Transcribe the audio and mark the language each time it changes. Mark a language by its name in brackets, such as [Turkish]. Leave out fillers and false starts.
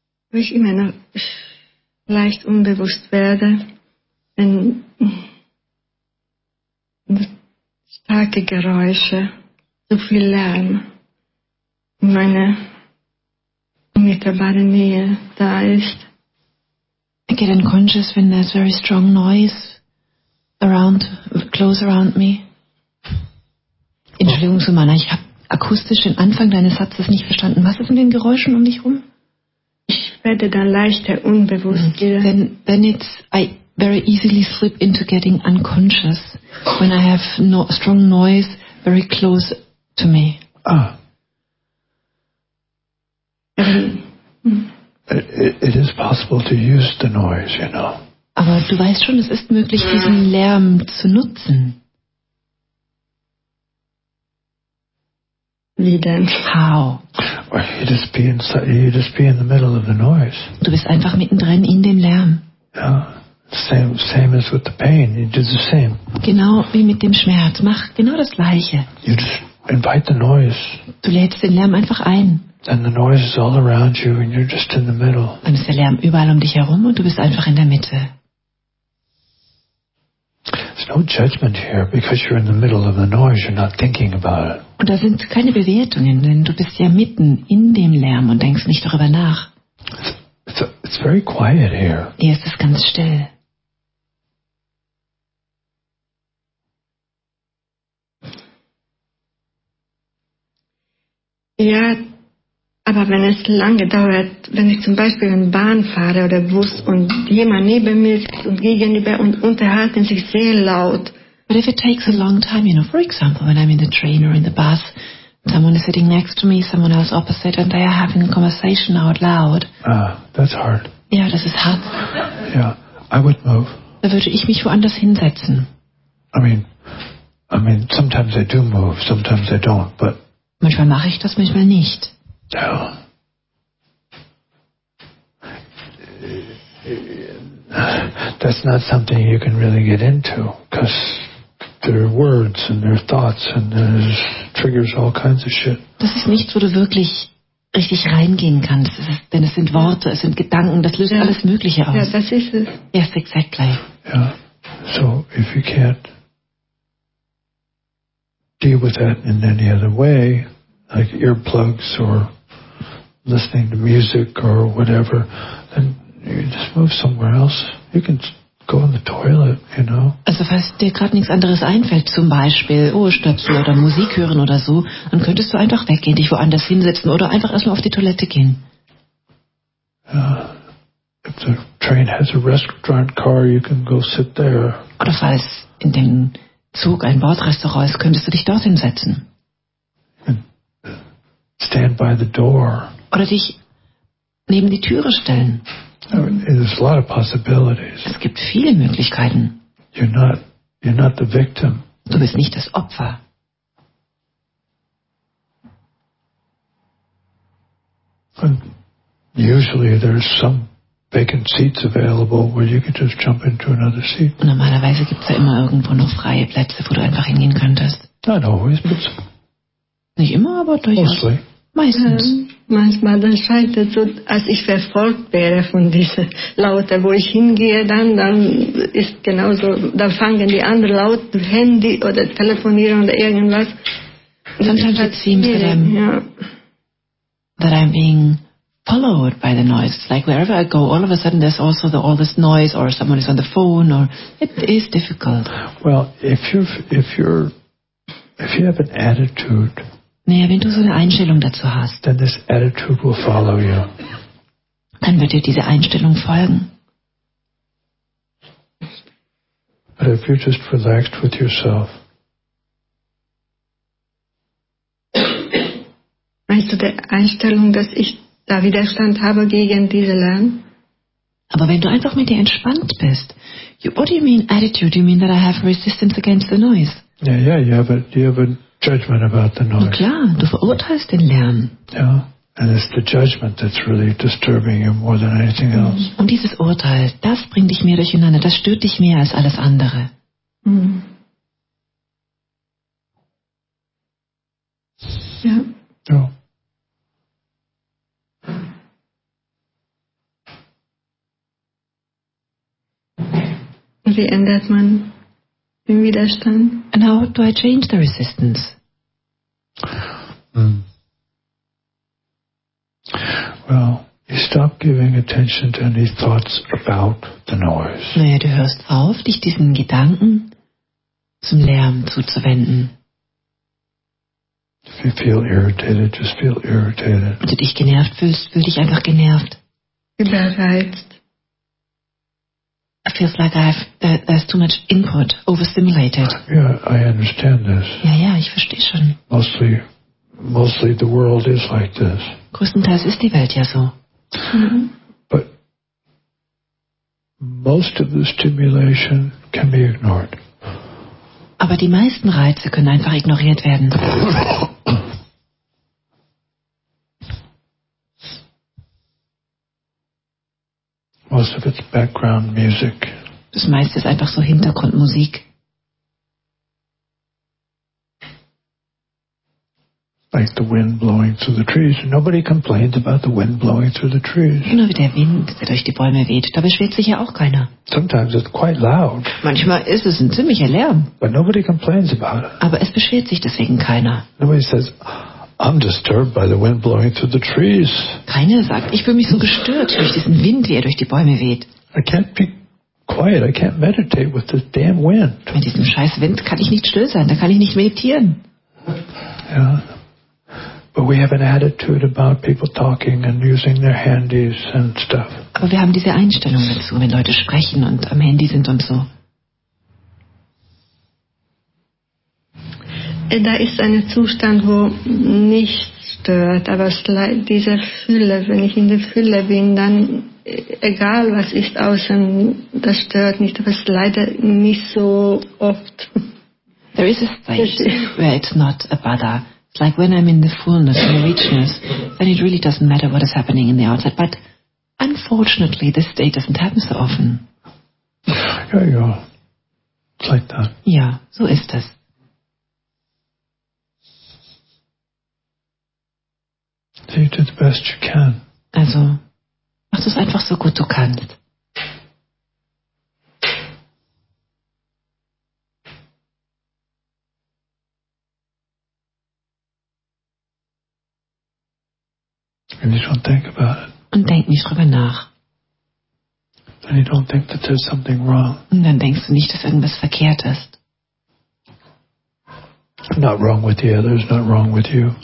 [German] Wenn ich in meiner leicht unbewusst werde, wenn starke Geräusche, so viel Lärm in meiner unmittelbaren Nähe da ist. [English] I get unconscious when there's very strong noise around, close around me. [German] Entschuldigung, Sumana, ich habe akustisch den Anfang deines Satzes nicht verstanden. Was ist in den Geräuschen um dich rum? Ich werde dann leichter unbewusst. [English] Then it's I very easily slip into getting unconscious when I have no strong noise very close to me. Ah. It is possible to use the noise, you know. [German] Aber du weißt schon, es ist möglich, diesen Lärm zu nutzen. Wie denn? [English] How? You just be in the middle of the noise. [German] Du bist einfach mittendrin in dem Lärm. [English] Yeah. Same as with the pain. You do the same. [German] Genau wie mit dem Schmerz. Mach genau das Gleiche. [English] You just invite the noise. [German] Du lädst den Lärm einfach ein. [English] Then the noise is all around you, and you're just in the middle. [German] Dann ist der Lärm überall um dich herum und du bist einfach in der Mitte. [English] There's no judgment here because you're in the middle of the noise. You're not thinking about it. [German] Und da sind keine Bewertungen, denn du bist ja mitten in dem Lärm und denkst nicht darüber nach. [English] It's very quiet here. [German] Hier ist es ganz still. Ja, aber wenn es lange dauert, wenn ich zum Beispiel in Bahn fahre oder Bus und jemand neben mir sitzt und gegenüber und unterhalten sich sehr laut. [English] But if it takes a long time, you know, for example, when I'm in the train or in the bus, someone is sitting next to me, someone else opposite, and they are having a conversation out loud. Ah, that's hard. [German] Ja, das ist hart. [English] Yeah, I would move. [German] Da würde ich mich woanders hinsetzen. [English] I mean, sometimes I do move, sometimes I don't, but... [German] Manchmal mache ich das, manchmal nicht. Ja. [English] That's not something you can really get into, because... There are words and there are thoughts and there's triggers all kinds of shit. [German] Das ist nichts, wo du wirklich richtig reingehen kannst. Es ist, denn es sind Worte, es sind Gedanken, das löst alles Mögliche aus. Ja, das ist es. [English] Yes, exactly. Yeah. So, if you can't deal with that in any other way, like earplugs or listening to music or whatever, then you just move somewhere else. You can... Go on the toilet, you know. [German] Also falls dir gerade nichts anderes einfällt, zum Beispiel Ohrstöpsel oder Musik hören oder so, dann könntest du einfach weggehen, dich woanders hinsetzen oder einfach erstmal auf die Toilette gehen. [English] If the train has a restaurant car, you can go sit there. [German] Oder falls in dem Zug ein Bordrestaurant ist, könntest du dich dort hinsetzen. [English] Stand by the door. [German] Oder dich neben die Türe stellen. [English] There's a lot of possibilities. [German] Es gibt viele Möglichkeiten. [English] You're not the victim. [German] Du bist nicht das Opfer. [English] And usually there's some vacant seats available where you could just jump into another seat. [German] Und normalerweise gibt's ja immer irgendwo noch freie Plätze, wo du einfach hingehen könntest. [English] Not always, but [German] nicht immer, aber durchaus. [English] Mostly. [German] Meistens. Manchmal dann scheitert es so, als ich verfolgt wäre von dieser Laute, wo ich hingehe, dann ist genauso, da fangen die anderen laut, Handy oder telefonieren oder irgendwas. [English] Sometimes it seems to them that I'm being followed by the noise. It's like wherever I go, all of a sudden there's also all this noise or someone is on the phone or it is difficult. Well, if you have an attitude. [German] Naja, wenn du so eine Einstellung dazu hast, [English] then this attitude will follow you. [German] Dann wird dir diese Einstellung folgen. [English] But if you're just relaxed with yourself. [German] Meinst du die Einstellung, dass ich da Widerstand habe gegen diese Lärm? Aber wenn du einfach mit dir entspannt bist, [English] what do you mean attitude? You mean that I have resistance against the noise? Yeah, you have a judgment about the noise. [German] Na klar, du verurteilst den Lärm. [English] Yeah, and it's the judgment that's really disturbing you more than anything else. [German] Und dieses Urteil, das bringt dich mehr durcheinander, das stört dich mehr als alles andere. Ja. So. Wie ändert man den Widerstand? [English] And how do I change the resistance? Well, you stop giving attention to any thoughts about the noise. [German] Naja, du hörst auf, dich diesen Gedanken zum Lärm zuzuwenden. [English] If you feel irritated, just feel irritated. [German] Wenn du dich genervt fühlst, fühl dich einfach genervt. Überreizt. [English] It feels like there's too much input, overstimulated. Yeah, I understand this. [German] Ja, ich verstehe schon. [English] Mostly the world is like this. [German] Größtenteils ist die Welt ja so. [English] But most of the stimulation can be ignored. [German] Aber die meisten Reize können einfach ignoriert werden. [English] Most of it's background music. [German] Das meiste ist einfach so Hintergrundmusik. [English] Like the wind blowing through the trees. Nobody complains about the wind blowing through the trees. [German] Genau wie der Wind, der durch die Bäume weht. Da beschwert sich ja auch keiner. [English] Sometimes it's quite loud. [German] Manchmal ist es ein ziemlicher Lärm. [English] But nobody complains about it. [German] Aber es beschwert sich deswegen keiner. [English] Nobody says, I'm disturbed by the wind blowing through the trees. [German] Keiner sagt, ich fühle mich so gestört durch diesen Wind, wie er durch die Bäume weht. [English] I can't be quiet. I can't meditate with this damn wind. [German] Mit diesem scheiß Wind kann ich nicht still sein. Da kann ich nicht meditieren. [English] Yeah. But we have an attitude about people talking and using their handies and stuff. [German] Aber wir haben diese Einstellung dazu, wenn Leute sprechen und am Handy sind und so. Da ist ein Zustand, wo nichts stört, aber diese Fülle, wenn ich in der Fülle bin, dann egal was ist außen, das stört nicht, aber es ist leider nicht so oft. [English] There is a state where it's not a bother. It's like when I'm in the fullness, in the richness, then it really doesn't matter what is happening in the outside. But unfortunately, this state doesn't happen so often. Yeah. It's like that. [German] Ja, so ist es. [English] You do the best you can. [German] Also, mach es einfach so gut du kannst. [English] And you don't think about it. [German] Und denk nicht drüber nach. [English] Then you don't think that there's something wrong. [German] Und dann denkst du nicht, dass irgendwas verkehrt ist. [English] Not wrong with the others, not wrong with you.